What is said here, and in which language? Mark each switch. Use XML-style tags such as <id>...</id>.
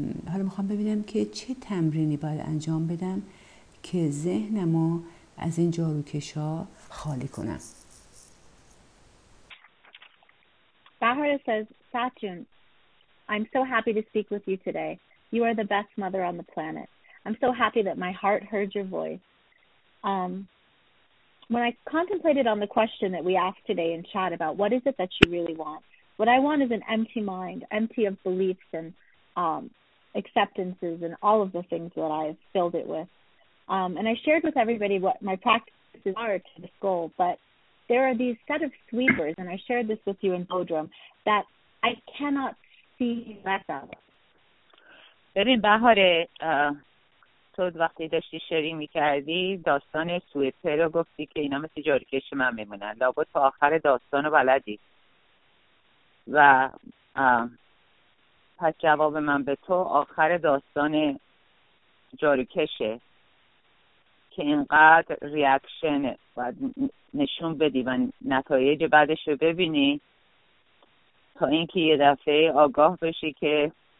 <fa>حالا میخوام ببینم که چه تمرینی باید انجام بدم که ذهنمو از این جاروکش ها خالی کنم.</fa> <en>Bahara says, Sachin, I'm so happy to speak with you today. You are the best mother on the planet. I'm so happy that my heart heard your voice. When I contemplated on the question that we asked today in chat about what is it that you really want, what I want is an empty mind, empty of beliefs and acceptances and all of the things that I've filled it with. And I shared with everybody what my practices are to this goal, but there are these set of sweepers, and I shared this with you in Bodrum, that I cannot see less of.</en> <fa>ببین بهاره، تو وقتی داشتی شری میکردی داستان سویپر رو گفتی که اینا مثل جاروکش من میمونن، لابد تا آخر داستان رو بلدی. و پس جواب من به تو آخر داستان جاروکشه که اینقدر ریاکشن باید نشون بدی و نتایج بعدش رو ببینی تا اینکه یه دفعه آگاه بشی که</fa>